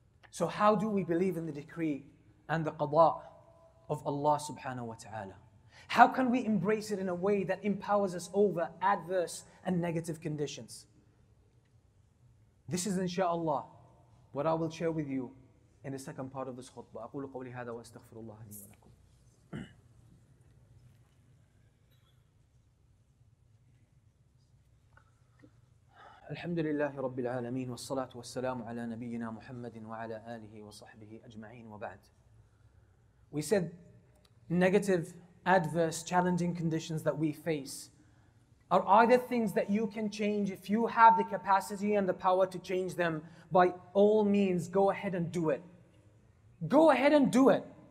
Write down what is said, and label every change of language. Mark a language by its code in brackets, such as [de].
[en] So how do we believe in the decree and the qada of Allah subhanahu wa ta'ala? How can we embrace it in a way that empowers us over adverse and negative conditions? This is inshallah what I will share with you in the second part of this khutbah. [ar] أقول قولي هذا وأستغفر الله لي ولكم. الحمد لله رب العالمين والصلاة والسلام على نبينا محمد وعلى آله وصحبه أجمعين وبعد. [en] We said negative, adverse, challenging conditions that we face are either things that you can change. If you have the capacity and the power to change them, by all means, go ahead and do it. Go ahead and do it.